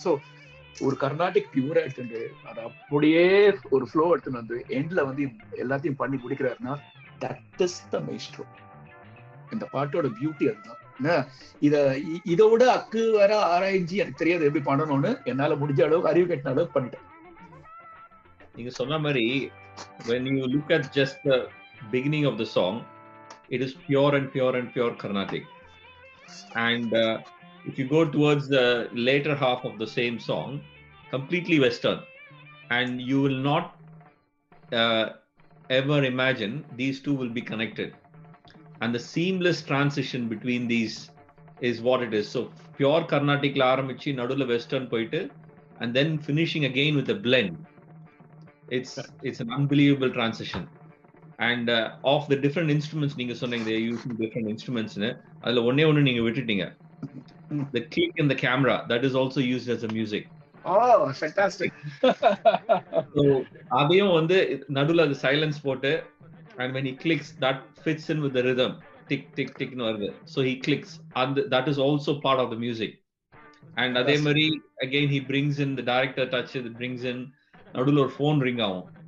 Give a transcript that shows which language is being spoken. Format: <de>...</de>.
<ta>So ஒரு கர்நாடிக் பியூரா எடுத்துட்டு அதை அப்படியே ஒரு ஃப்ளோ எடுத்துன்னு வந்து எண்ட்ல வந்து எல்லாத்தையும் பண்ணி முடிக்கிறாருன்னா</ta> <en>That is the maestro.</en> <ta>இந்த பாட்டோட பியூட்டி அதுதான். இத இதோட அக்கு வர ஆராய்ஞ்சி எனக்கு தெரியாது எப்படி பண்ணணும்னு, என்னால முடிஞ்ச அளவுக்கு அறிவு கட்டின அளவுக்கு பண்ணிட்டேன். நீங்க சொன்ன மாதிரி</ta> <en>when you look at just the beginning of the song it is pure and pure and pure Carnatic and if you go towards the later half of the same song completely western and you will not ever imagine these two will be connected and the seamless transition between these is what it is. So pure Carnatic</en> <ta>la aarambichi nadula western poite</ta> <en>and then finishing again with a blend. It's an unbelievable transition. And of the different instruments,</en> <ta>நீங்க சொன்னீங்க,</ta> <en>they are using different instruments.</en> <ta>அதுல ஒண்ணே ஒண்ணு நீங்க விட்டுட்டீங்க.</ta> <en>The click in the camera, that is also used as a music. Oh, fantastic. So,</en> <ta>அதையும் வந்து நடுவில் அது சைலன்ஸ் போட்டு,</ta> <en>and when he clicks, that fits in with the rhythm. Tick, tick, tick,</en> <ta>வருது.</ta> <en>So he clicks. And that is also part of the music. And அதே மாதிரி, again, he brings in the director touch, he brings in,</en> <ta>நடுவில் ஒரு phone ring ஆகும்.</ta>